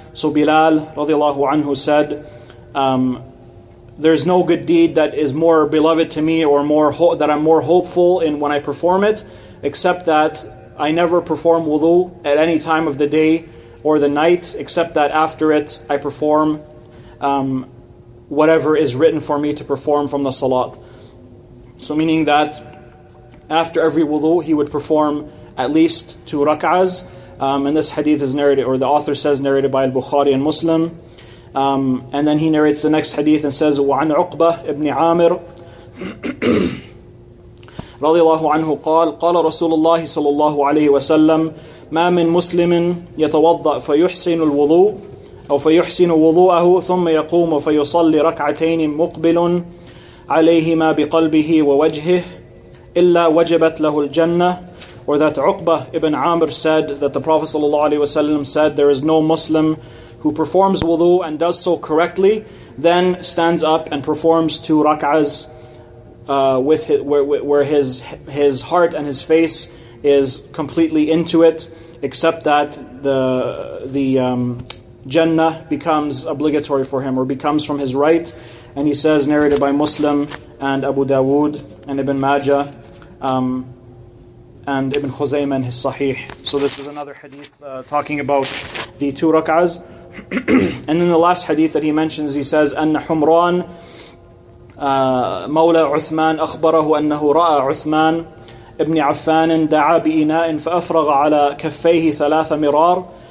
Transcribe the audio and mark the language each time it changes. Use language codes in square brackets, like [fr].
[en] So Bilal radiallahu anhu said, there's no good deed that is more beloved to me, or more that I'm more hopeful in when I perform it, except that I never perform wudu at any time of the day or the night, except that after it I perform whatever is written for me to perform from the salat. So meaning that after every wudu he would perform at least two rak'ahs. And this hadith is narrated, or the author says, narrated by Al-Bukhari and Muslim. And then he narrates the next hadith and says, [ar] وَعَنْ عُقْبَةِ إِبْنِ عَامِرٍ رَضِيَ اللَّهُ عَنْهُ قَالَ قَالَ رَسُولُ اللَّهِ صَلَى اللَّهُ عَلَيْهِ وَسَلَّمَ مَا مِنْ مُسْلِمٍ يَتَوَضَّأْ فَيُحْسِنُ الْوُضُوءُ أَوْ فَيُحْسِنُ وُضُوءَهُ ثُمَّ يَقُومُ فَيُصَلِّ رَكْعَتَيْنِ مُقْبِلٌ عَلَيْهِمَا بِقَلْبِهِ وَوَجْهِهِ إِلَّا وَجَبَتْ لَهُ الْجَنَّةُ. [en] Or that Uqbah ibn Amr said that the Prophet ﷺ said, there is no Muslim who performs wudu and does so correctly, then stands up and performs two rak'ahs with where his heart and his face is completely into it, except that the Jannah becomes obligatory for him, or becomes from his right. And he says, narrated by Muslim and Abu Dawood and Ibn Majah, and Ibn Khuzaym and his Sahih. So this is another hadith talking about the two rak'ahs. And then the last hadith that he mentions, he says, [ar] أَنَّ حُمْرَان مَوْلَى عُثْمَان أَخْبَرَهُ أَنَّهُ رَأَى عُثْمَان ابْنِ عَفَّانٍ دَعَى بِإِنَاءٍ فَأَفْرَغَ عَلَى كَفَّيْهِ ثَلَاثَ مِرَارٍ.